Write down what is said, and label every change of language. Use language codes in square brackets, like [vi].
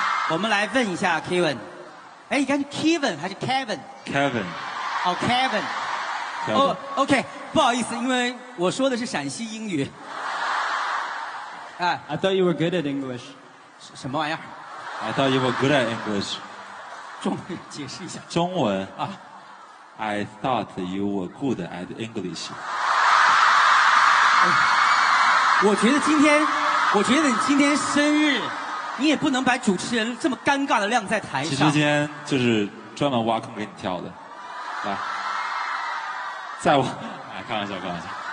[zh] 我们来问一下 Kevin， 哎，你看 Kevin 还是 Kevin？ Kevin。哦 ，Kevin。 Kevin。 OK， 不好意思，因为我说的是陕西英语。 [en] I thought you were good at English。 [zh] 什么玩意儿？ [en] I thought you were good at English. [zh] 中文解释一下。中文啊 [en] ，I thought you were good at English.、哎、 [zh] 我觉得你今天生日，你也不能把主持人这么尴尬的晾在台上。其实今天就是专门挖坑给你跳的，来，再挖，来开玩笑，开玩笑。